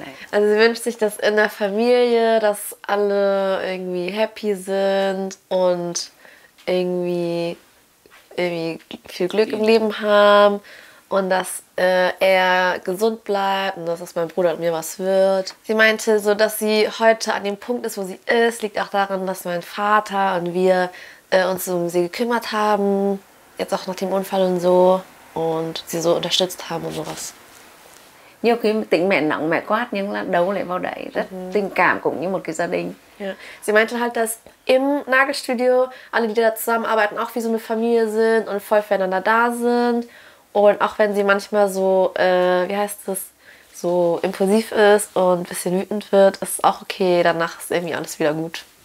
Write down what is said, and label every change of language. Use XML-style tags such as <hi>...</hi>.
<de>Also sie wünscht sich, dass in der Familie, dass alle irgendwie happy sind und irgendwie viel Glück im Leben haben und dass er gesund bleibt und dass es mein Bruder und mir was wird. Sie meinte so, dass sie heute an dem Punkt ist, wo sie ist, liegt auch daran, dass mein Vater und wir uns um sie gekümmert haben, jetzt auch nach dem Unfall und so, und sie so unterstützt haben und sowas.</de> <vi>Nhiều khi tính mẹ nặng mẹ quát nhưng là đâu lại vào đấy rất tình cảm cũng như một cái gia đình.</vi> <de>Ja. Sie meinte halt, dass im Nagelstudio alle, die da zusammenarbeiten, auch wie so eine Familie sind und voll füreinander da sind. Und auch wenn sie manchmal so, wie heißt das, so impulsiv ist und ein bisschen wütend wird, ist es auch okay. Danach ist irgendwie alles wieder gut.</de>